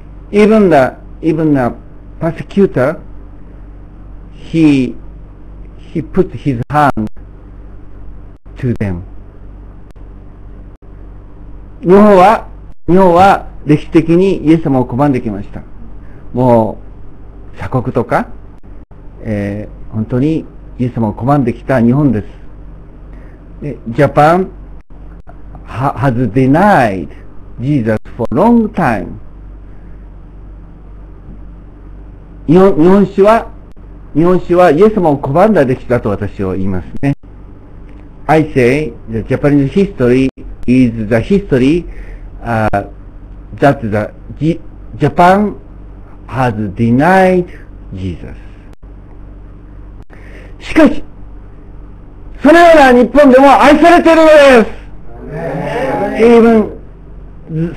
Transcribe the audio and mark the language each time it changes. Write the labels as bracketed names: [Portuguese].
[English] Even the persecutor, he put his hand to them. [Japanese] 日本は歴史的にイエス様を拒んできました。もう鎖国とか、本当にイエス様を拒んできた日本です。 [English] で Japan has denied Jesus for a long time。 [Japanese] 日本史はイエス様を拒んだ歴史だと私は言いますね。 [English] I say the Japanese history is the history、that the Japanhas denied Jesus。 [Japanese] しかしそのような日本でも愛されているのです。